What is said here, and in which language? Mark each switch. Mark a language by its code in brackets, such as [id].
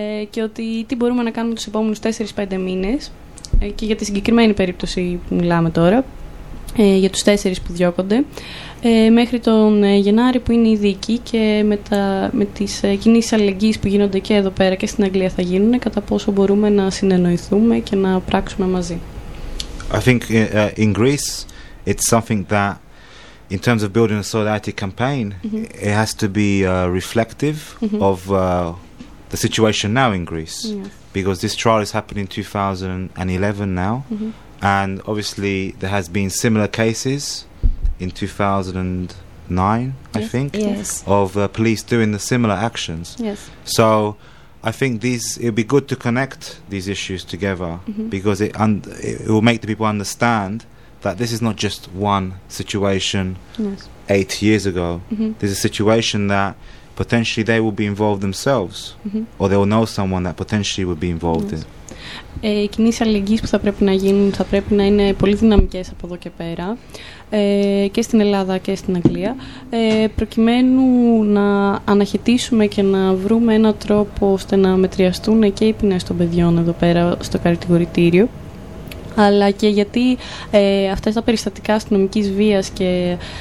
[el] Και ότι τι μπορούμε να κάνουμε τους επόμενους 4-5 μήνες και για τη συγκεκριμένη περίπτωση που μιλάμε τώρα, για τους 4 που διώκονται, μέχρι τον Γενάρη που είναι η δίκη και με τις κινήσεις αλληλεγγύης που γίνονται και εδώ πέρα και στην Αγγλία θα γίνουν, κατά πόσο μπορούμε να συνεννοηθούμε και να πράξουμε μαζί. [en] I think in Greece it's something that in terms of building a solidarity campaign it has to be reflective of the situation now in Greece, because this trial is happening in 2011 now, and obviously there has been similar cases in 2009, of police doing the similar actions. Yes. So I think it would be good to connect these issues together, because it will make the people understand that this is not just one situation 8 years ago. This is a situation that potentially they will be involved themselves, or they will know someone that potentially would be involved in. [el] Οι κινήσεις αλληλεγγύης που θα πρέπει να γίνουν θα πρέπει να είναι πολύ δυναμικές από εδώ και πέρα. και στην Ελλάδα και στην Αγγλία, προκειμένου να αναχαιτήσουμε και να βρούμε ένα τρόπο ώστε να μετριαστούν και οι ποινές των παιδιών εδώ πέρα στο κατηγορητήριο, αλλά και γιατί αυτές τα περιστατικά αστυνομικής βίας και